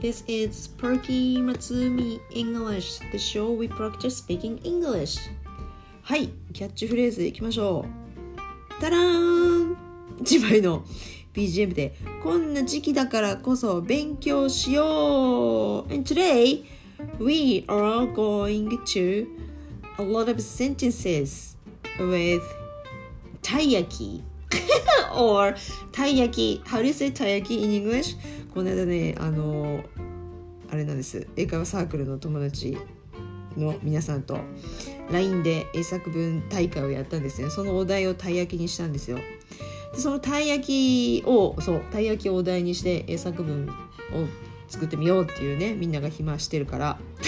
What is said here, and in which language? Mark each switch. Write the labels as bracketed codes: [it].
[en] This is Perky Matsumi English, the show we practice speaking English. [ja] はい、キャッチフレーズいきましょう。タラーン、自前の BGM でこんな時期だからこそ勉強しよう。 [en] And today, we are going to a lot of sentences with たい焼きor taiyaki. How do you say taiyaki in English? [ja] この間ね、あれなんです。英会話サークルの友達の皆さんと LINE で英作文大会をやったんですね。そのお題をたい焼きにしたんですよ。で、そのたい焼きを、そう、たい焼きをお題にして英作文を作ってみようっていうね、みんなが暇してるから。